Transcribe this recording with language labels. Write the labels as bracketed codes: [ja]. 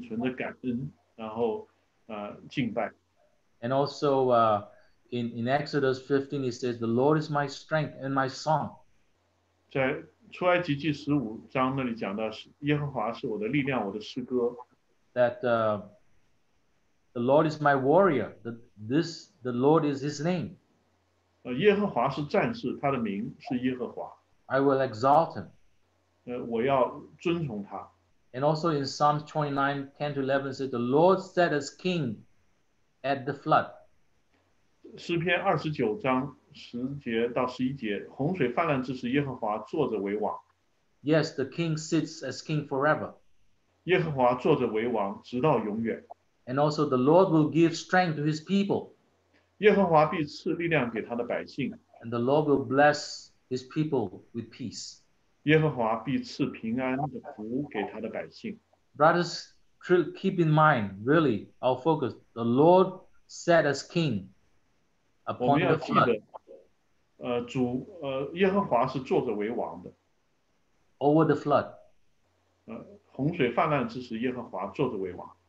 [zh] 让我们可以向神存着感恩，然后敬拜。 [en] And also in Exodus 15, it says, "The Lord is my strength and my song." [zh] 在出埃及记15章那里讲到，耶和华是我的力量，我的诗歌。 [en] That The Lord is my warrior. The Lord is his name. [zh] 耶和华是战士, 他的名是耶和华。 [en] I will exalt him. [zh] 我要尊崇他。 [en] And also in Psalms 29, 10 to 11, says, the Lord set as king at the flood. [zh] 诗篇29章10节到11节, 洪水泛滥之时耶和华坐着为王。 [en] Yes, the king sits as king forever. [zh] 耶和华坐着为王, 直到永远。 [en] And also the Lord will give strength to his people. [zh] 耶和华必赐力量给他的百姓。 [en] And the Lord will bless his people with peace. [zh] 耶和华必赐平安的福给他的百姓。 [en] Brothers, keep in mind, really, our focus, the Lord set as king upon the flood. [zh] 耶和华是坐着为王的。 [en] Over the flood. [zh] 洪水泛滥之时耶和华坐着为王。